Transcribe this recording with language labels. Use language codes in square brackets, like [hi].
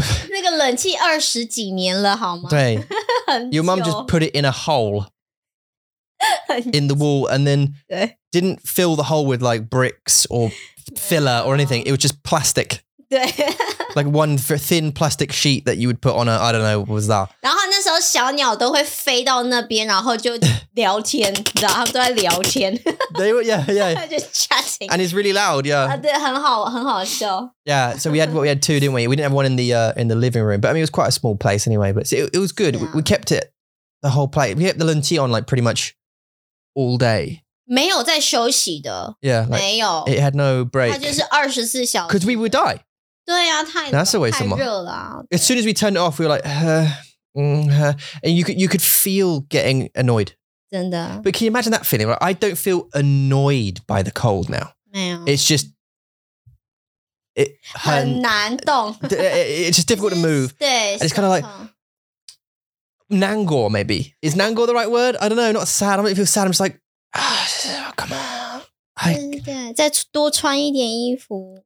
[zh] 那个冷气二十几年了好吗 [en] 对your mom just put it in a holeIn the wall and then didn't fill the hole with like bricks or filler or anything. It was just plastic. Like one thin plastic sheet that you would put on a, I don't know, what was that? [zh] 然后那时候小鸟都会飞到那边然后就聊天然后都在聊天 [en] They were, yeah, yeah. Just chatting. And it's really loud, yeah. [zh] 对很好很好笑 [en] Yeah, so we had two, didn't we? We didn't have one in the living room. But I mean, it was quite a small place anyway. But see, it was good. Yeah. We kept it the whole place. We kept the 冷气 on like pretty much. All day. [zh] 没有在休息的。 [en] Yeah. [zh] Like, 没有。 [en] It had no break. [zh] 它就是24小时。 [en] Because we would die. [zh] 对啊太冷。 [en] That's the way some more. [zh] 太热了。 [en] As soon as we turned it off, we were like, And you could feel getting annoyed. [zh] 真的。 [en] But can you imagine that feeling? Like, I don't feel annoyed by the cold now. [zh] 没有。 [en] It's just, it [zh] 很难动。 [en] It's just difficult to move. [zh] 对。 [en] And it's kind of like,Nangor, maybe. Is Nangor the right word? I don't know, not sad. I don't feel sad. I'm just like, oh, come on. [zh] 对对对再多穿一点衣服。